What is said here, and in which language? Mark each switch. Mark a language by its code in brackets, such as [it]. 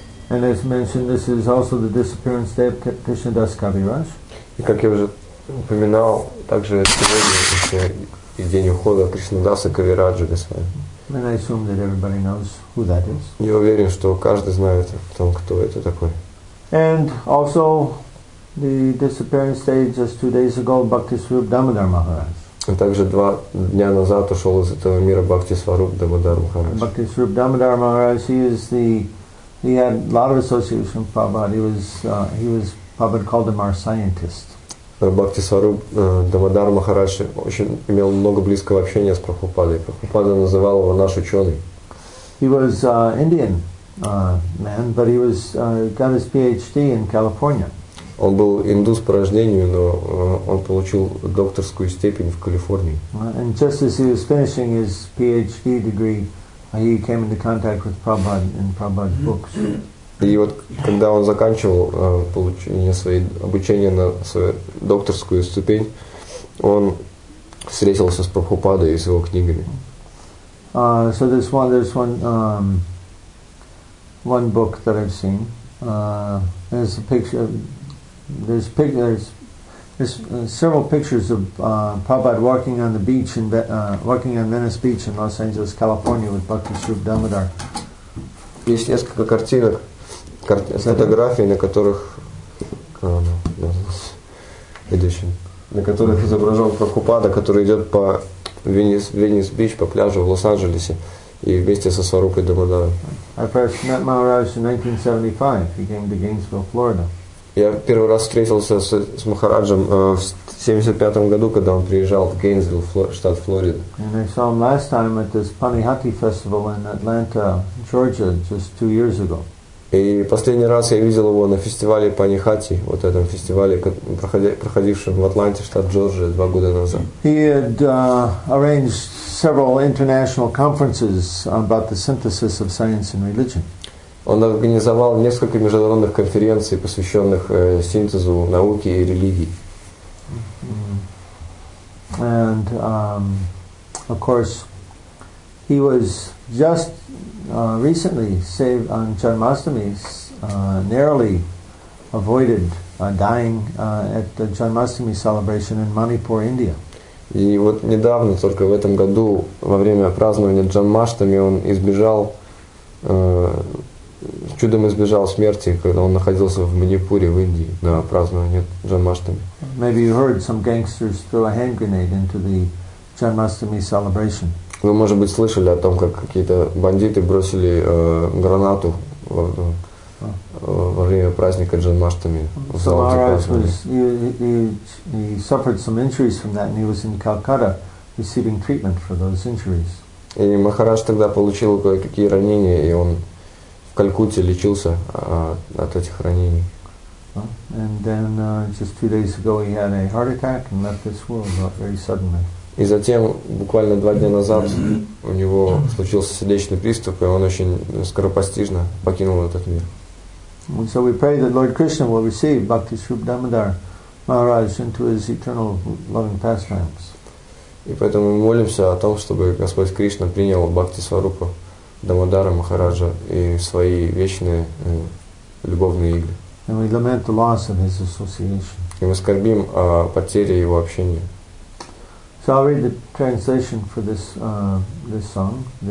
[en] And as mentioned, this is also the disappearance day of Krishnadas Kaviraj. [ru] И как я уже упоминал, также сегодня еще и день ухода Кришнадаса Кавираджа Госвами. [en] And I assume that everybody knows who that is. [ru] Я уверен, что каждый знает о том, кто это такой. [en] And also the disappearance day just 2 days ago, Bhaktisvarup Damodar Maharaj. [ru] Также два дня назад ушел из этого мира Бхактисварупа Дамодар Махарадж. [en] Bhaktisvarup Damodar Maharaj, he is the, he had a lot of association with Prabhupada. He was Prabhupada called him our scientist. [ru] Бхактисварупа Дамодар Махарадж очень имел много близкого общения с Прабхупадой. Прабхупада называл его наш ученый. [en] He was Indian man, but he was got his PhD in California. [ru] Он был индус по рождению, но он получил докторскую степень в Калифорнии. [en] And just as he was finishing his PhD degree, he came into contact with Prabhupada and Prabhupada's books. [ru] И вот когда он заканчивал получение своей обучения на свою докторскую ступень, он встретился с Прабхупадой и с его книгами. [en] So there's one book that I've seen. There's a picture of, There's several pictures of Prabhupada walking on the beach in walking on Venice Beach in Los Angeles, California, with Bhaktisvarupa Damodar. [ru] Есть несколько картинок, фотографий, на которых, на которых изображен Прабхупада, который идет по Venice Beach, по пляжу в Лос-Анджелесе, и вместе со Сварупой Дамодаром. [en] I first met Maharaj in 1975. He came to Gainesville, Florida. [ru] Я первый раз встретился с Махараджем в 75-м году, когда он приезжал в Гейнсвилл, штат Флорида. [en] And I saw him last time at this Panihati festival in Atlanta, Georgia, just 2 years ago. [ru] И последний раз я видел его на фестивале Панихати, вот этом фестивале, проходившем в Атланте, штат Джорджия, 2 года назад. [en] He had arranged several international conferences about the synthesis of science and religion. [ru] Он организовал несколько международных конференций, посвященных синтезу науки и религии. [en] And of course, he was just recently saved on Janmashtami, narrowly avoided dying at the Janmashtami celebration in Manipur, India. [ru] И вот недавно, только в этом году, во время празднования Джанмаштами, он избежал чудом избежал смерти, когда он находился в Манипуре, в Индии, на праздновании Джанмаштами. [en] Maybe you heard some gangsters throw a hand grenade into the Janmashtami celebration. [ru] Вы, может быть, слышали о том, как какие-то бандиты бросили гранату во время праздника Джанмаштами. [en] So Maharaj was he suffered some injuries from that, and he was in Calcutta receiving treatment for those injuries. [ru] И Махарадж тогда получил кое-какие ранения, и он в Калькутте лечился от этих ранений. [en] And then just 2 days ago he had a heart attack and left this world very suddenly. [ru] И затем буквально 2 дня назад у него случился сердечный приступ, и он очень скоропостижно покинул этот мир. [en] And so we pray that Lord Krishna will receive Bhaktisvarupa Damodar Maharaj into his eternal loving pastimes. [ru] И поэтому мы молимся о том, чтобы Господь Кришна принял Бхактисварупа Дамодара Махараджа и свои вечные любовные игры. [en] And we lament the loss of his association. [ru] И мы скорбим о потере его общения. [en] So I'll read the translation for this this song.